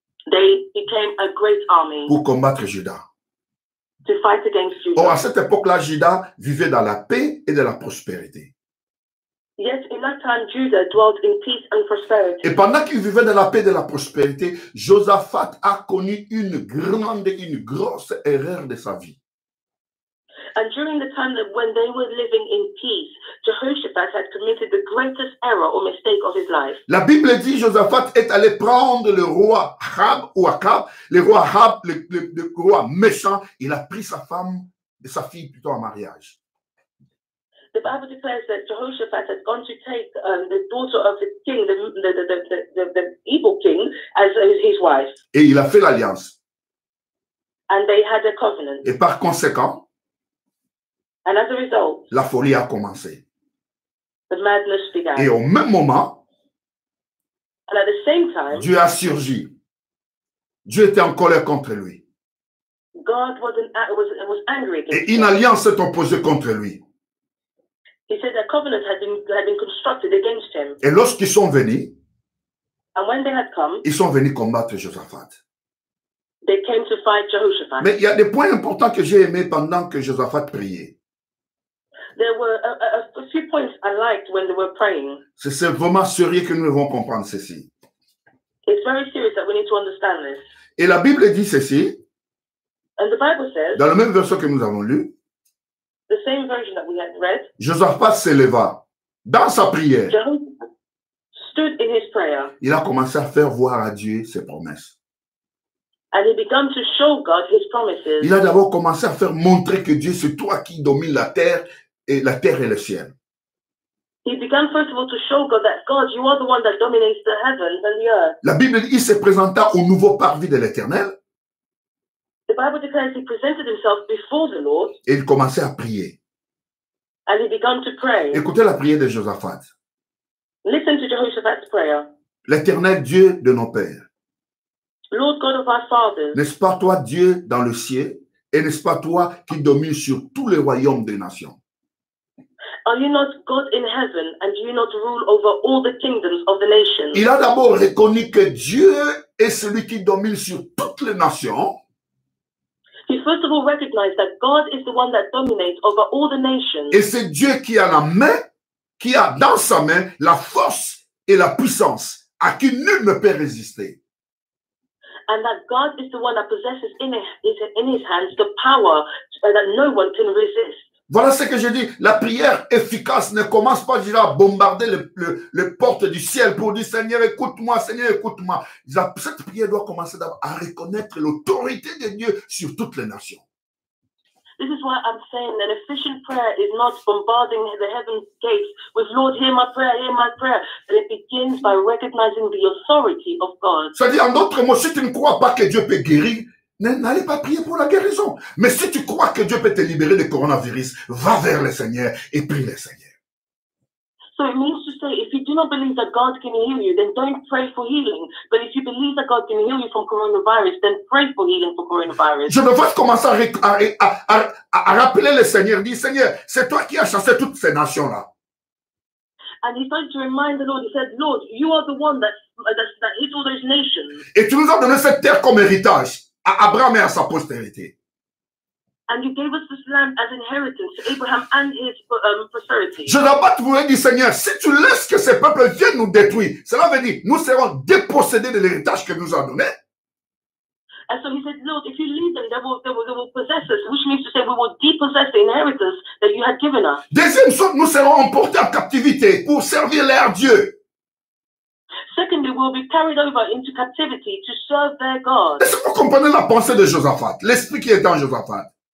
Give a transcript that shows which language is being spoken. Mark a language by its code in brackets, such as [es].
[en] They became a great army. [fr] Pour combattre Juda. [en] To fight against Judah. [fr] Or, à cette époque-là, Juda vivait dans la paix et de la prospérité. [en] Yes, in that time Judah dwelt in peace and prosperity. [fr] Et pendant qu'il vivait dans la paix et de la prospérité, Josaphat a connu une grosse erreur de sa vie. [en] And during the time that when they were living in peace, Jehoshaphat had committed the greatest error or mistake of his life. [fr] La Bible dit Josaphat est allé prendre le roi Achab ou Akab, le roi Achab, le roi méchant, il a pris sa femme et sa fille plutôt en mariage. [en] The Bible declares that Jehoshaphat had gone to take the daughter of the king, the evil king, as his wife. [fr] Et il a fait l'alliance. [en] And they had a covenant. [fr] Et par conséquent, [en] and as a result, [fr] la folie a commencé. [en] The madness began. [fr] Et au même moment, [en] and at the same time, [fr] Dieu a surgi. Dieu était en colère contre lui. [en] God was angry against [fr] et une alliance s'est opposée contre lui. [en] He said a covenant had been constructed against him. [fr] Et lorsqu'ils sont venus, [en] and when they had come, [fr] ils sont venus combattre Josaphat. [en] They came to fight Jehoshaphat. [fr] Mais il y a des points importants que j'ai aimés pendant que Josaphat priait. [en] There were a few points I liked when they were praying. [fr] C'est vraiment sérieux que nous devons comprendre ceci. [en] It's very serious that we need to understand this. [fr] Et la Bible dit ceci. [en] And the Bible says, [fr] dans le même verset que nous avons lu, [en] the same version that we had read, [fr] Josaphat s'éleva dans sa prière. [en] Stood in his prayer. [fr] Il a commencé à faire voir à Dieu ses promesses. [en] And he began to show God his promises. [fr] Il a d'abord commencé à faire montrer que Dieu, c'est toi qui domines la terre et la terre et le ciel. [en] He began first of all to show God that God, you are the one that dominates the heavens and the earth. [fr] La Bible dit, il se présenta au nouveau parvis de l'Éternel. [en] The Bible declares he presented himself before the Lord. [fr] Et il commençait à prier. [en] And he began to pray. [fr] Écoutez la prière de Josaphat. [en] Listen to Jehoshaphat's prayer. [fr] L'Éternel Dieu de nos pères. [en] Lord God of our fathers. [fr] N'est-ce pas toi Dieu dans le ciel? Et n'est-ce pas toi qui domines sur tous les royaumes des nations? [en] Are you not God in heaven and do you not rule over all the kingdoms of the nations? [fr] Il a d'abord reconnu que Dieu est celui qui domine sur toutes les nations. [en] He first of all recognized that God is the one that dominates over all the nations. [fr] Et c'est Dieu qui a la main, qui a dans sa main la force et la puissance à qui nul ne peut résister. [en] And that God is the one that possesses in his hands the power that no one can resist. [fr] Voilà ce que je dis. La prière efficace ne commence pas déjà à bombarder les portes du ciel pour dire Seigneur, écoute-moi, Seigneur, écoute-moi. Cette prière doit commencer d'abord à reconnaître l'autorité de Dieu sur toutes les nations. [en] This is why I'm saying an efficient prayer is not bombarding the heaven's gates with Lord, hear my prayer, but it begins by recognizing the authority of God. [fr] C'est-à-dire, en d'autres mots, si tu ne crois pas que Dieu peut guérir, n'allez pas prier pour la guérison. Mais si tu crois que Dieu peut te libérer du coronavirus, va vers le Seigneur et prie le Seigneur. [en] So it means to say, if you do not believe that God can heal you, then don't pray for healing. But if you believe that God can heal you from coronavirus, then pray for healing for coronavirus. [fr] Je devrais commencer à rappeler le Seigneur, dire Seigneur, c'est toi qui as chassé toutes ces nations-là. [en] And he started to remind the Lord, he said, Lord, you are the one that hit all those nations. [fr] Et tu nous as donné cette terre comme héritage. À Abraham et à sa postérité. [en] And you gave us this land as inheritance to Abraham and his posterity. [fr] Je n'ai pas trouvé, dit Seigneur, si tu laisses que ces peuples viennent nous détruire, cela veut dire nous serons dépossédés de l'héritage que nous a donné. [en] And so he said, Lord, if you leave them, they will possess us, which means to say we will depossess the inheritance that you had given us. [fr] Deuxième chose, nous serons emportés en captivité pour servir leur Dieu. [en] Secondly, we'll be carried over into captivity to serve their God. [fr] Est-ce que vous comprenez la pensée de Josaphat, l'esprit qui est en Josaphat?